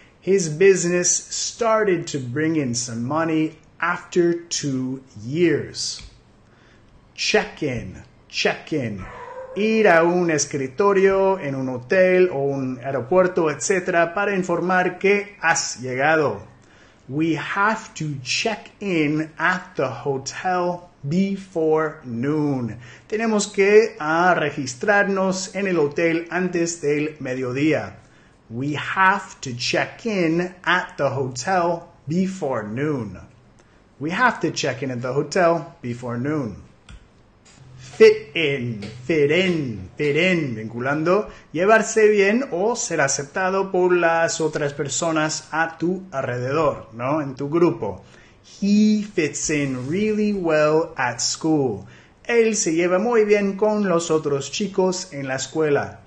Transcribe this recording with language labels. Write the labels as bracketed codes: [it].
[en] His business started to bring in some money after 2 years. [es] Check in. Ir a un escritorio, en un hotel o un aeropuerto, etc. para informar que has llegado. [en] We have to check in at the hotel before noon. [es] Tenemos que registrarnos en el hotel antes del mediodía. [en] We have to check in at the hotel before noon. We have to check in at the hotel before noon. [es] Fit in, vinculando, llevarse bien o ser aceptado por las otras personas a tu alrededor, ¿no? En tu grupo. [en] He fits in really well at school. [es] Él se lleva muy bien con los otros chicos en la escuela.